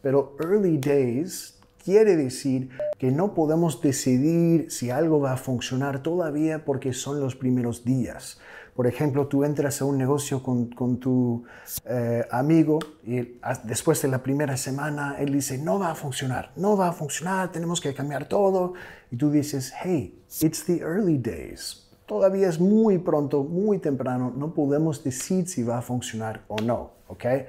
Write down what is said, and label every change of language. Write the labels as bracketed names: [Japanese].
[Spanish] Pero early days quiere decir que no podemos decidir si algo va a funcionar todavía porque son los primeros días. Por ejemplo, tú entras a un negocio con tu amigo y después de la primera semana, él dice, no va a funcionar, no va a funcionar, tenemos que cambiar todo. Y tú dices, hey, [English] it's the early days. [Spanish] Todavía es muy pronto, muy temprano, no podemos decir si va a funcionar o no, ¿ok?